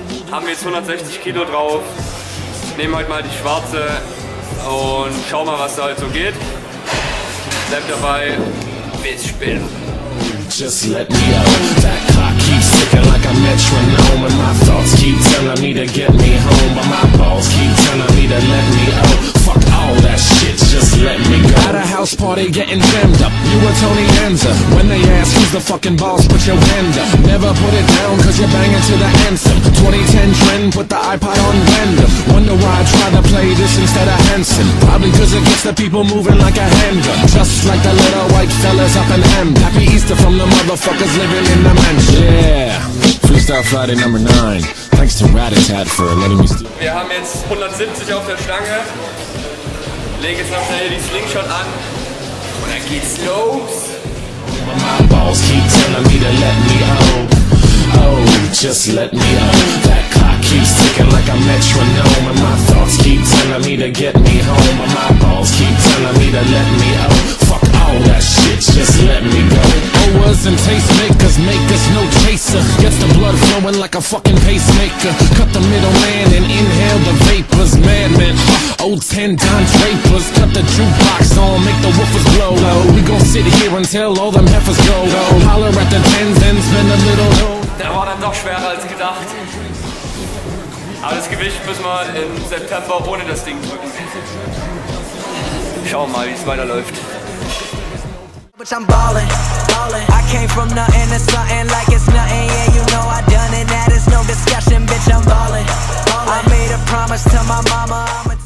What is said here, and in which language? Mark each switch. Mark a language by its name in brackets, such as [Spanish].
[German] Haben jetzt 160 Kilo drauf. Nehmen heute mal die schwarze und schau mal, was da halt so geht. Bleibt dabei, bis später. [English] Just let me out. That clock keeps ticking like a metronome. And my thoughts keep telling me to get me home. But my balls keep telling me to let me out. Fuck all that shit, just let me go. At a house party getting jammed up. You were Tony Danza. When they ask who's the fucking boss, put your hand up. Never put it down cause you're banging to the anthem. 2010 trend, put the iPod on random. Wonder why I try to play this instead of Hanson. Probably cause it gets the people moving like a handgun. Just like the little white fellas up in Hamden. Happy Easter from the motherfuckers living in the mansion. Yeah, Freestyle Friday number 9. Thanks to Rat-A-Tat for letting me steal. [German] Wir haben jetzt 170 auf der Stange. Leg jetzt mal schnell die Slingshot an. Und dann geht's los. [English] My balls keep telling me to let me out. Oh, just let me out. That clock keeps ticking like a metronome. And my thoughts keep telling me to get me home. And my balls keep telling me to let me out. Fuck all that shit, just let me go. Owers and tastemakers, make this no chaser. Gets the blood flowing like a fucking pacemaker. Cut the middleman and inhale the vapors. Madman, old 10 times vapors. Cut the jukebox on, make the woofers blow. We gon' sit here until all them heifers go. Holler at the tens and spend a little dough. [German] Der war dann doch schwerer als gedacht. Aber das Gewicht müssen wir im September ohne das Ding drücken. Schauen wir mal, wie es weiterläuft. [English] I'm ballin', ballin'. I came from nothing to something like it's nothing. Yeah, you know I done it. That is no discussion, bitch. I'm ballin', ballin'. I made a promise to my mama. I'm a